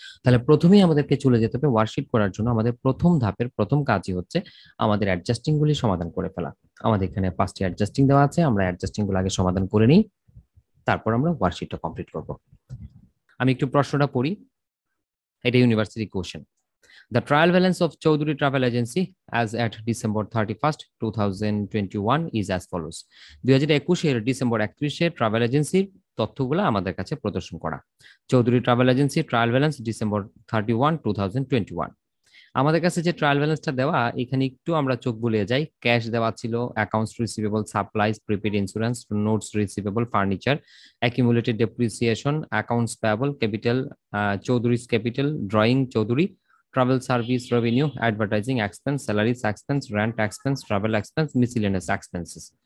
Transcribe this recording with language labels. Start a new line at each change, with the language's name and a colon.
Bangla: তাহলে প্রথমেই আমাদেরকে চলে যেতে হবে ওয়ার্কশিট করার জন্য। আমাদের প্রথম ধাপের প্রথম কাজই হচ্ছে আমাদের অ্যাডজাস্টিংগুলি সমাধান করে ফেলা। আমাদের এখানে 5টি অ্যাডজাস্টিং দেওয়া আছে, আমরা অ্যাডজাস্টিংগুলো আগে সমাধান করে নিই, তারপর আমরা ওয়ার্কশিটটা কমপ্লিট করব। আমি একটু প্রশ্নটা পড়ি, এটা university question.
English: The trial balance of Chowdhury Travel Agency as at December 31st, 2021 is as follows.
Bangla: 2021 এর ডিসেম্বর 31 এর ট্রাভেল এজেন্সির তথ্যগুলো আমাদের কাছে প্রদর্শন করা। Chowdhury travel agency trial balance December 31, 2021। আমাদের কাছে যে ট্রায়াল ব্যালেন্সটা দেওয়া, এখানে একটু আমরা চোখ বুলিয়ে যাই। ক্যাশ দেওয়া ছিল, accounts receivable, supplies, prepaid insurance, notes receivable, furniture, অ্যাকিমুলেটেড depreciation, accounts payable, capital, চৌধুরীস capital, drawing Chowdhury, travel service revenue, advertising expense, salaries expense, rent expense, travel expense, miscellaneous expenses.